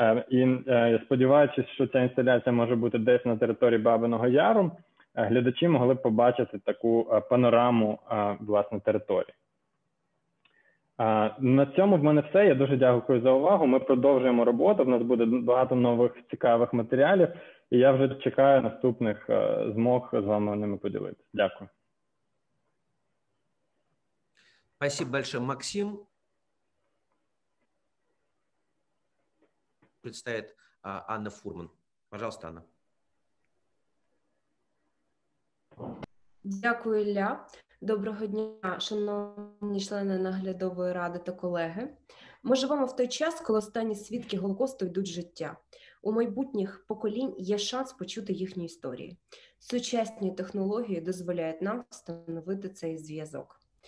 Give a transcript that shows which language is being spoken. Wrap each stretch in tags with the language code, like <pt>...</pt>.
<uk>І сподіваючись, що ця інсталяція може бути десь на території Бабиного Яру, глядачі могли б побачити таку панораму власне території. На цьому в мене все. Я дуже дякую за увагу. Ми продовжуємо роботу. В нас буде багато нових цікавих матеріалів. І я вже чекаю наступних змог з вами ними поділитися. Дякую.</uk> <ru>Спасибо большое, Максим. Представит Анна Фурман. Пожалуйста, Анна.</ru> <uk>Дякую, Ілля. Доброго дня, шановні члени наглядової ради та колеги. Ми живемо в той час, коли останні свідки Голокосту йдуть життя. У майбутніх поколінь є шанс почути їхні історії. Сучасні технології дозволяють нам встановити цей зв'язок.</uk>